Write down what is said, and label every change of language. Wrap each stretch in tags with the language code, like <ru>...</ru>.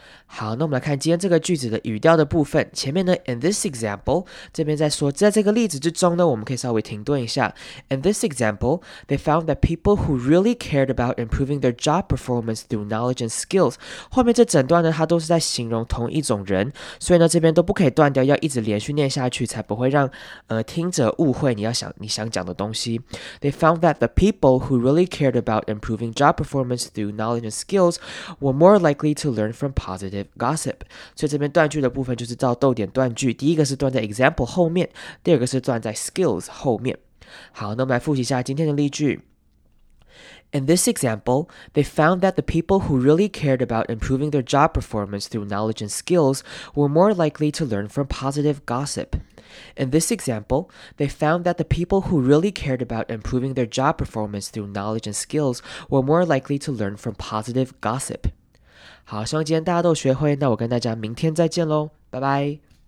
<zh>好，那我们来看今天这个句子的语调的部分。前面呢 ，</zh> <en>in this example，</en> <zh>这边在说，在这个例子之中呢，我们可以稍微停顿一下。</zh> <en>In this example， they found that people who really cared about improving their job performance through knowledge and skills。</en> <zh>后面这整段呢，它都是在形容同一种人，所以呢，这边都不可以断掉，要一直连续念下去，才不会让听者误会你想讲的东西。</zh> <en>They found that the people who really cared about improving job performance through knowledge and skills were more likely to learn from positive.</en> <zh>Gossip， 所以这边断句的部分就是照逗点断句，第一个是断在 example 后面，第二个是断在 skills 后面。好，那我们来复习一下今天的例句。</zh> <en>In this example, they found that the people who really cared about improving their job performance through knowledge and skills were more likely to learn from positive gossip. In this example, they found that the people who really cared about improving their job performance through knowledge and skills were more likely to learn from positive gossip.</en> <zh>好，希望今天大家都学会，那我跟大家明天再见咯，拜拜。</zh>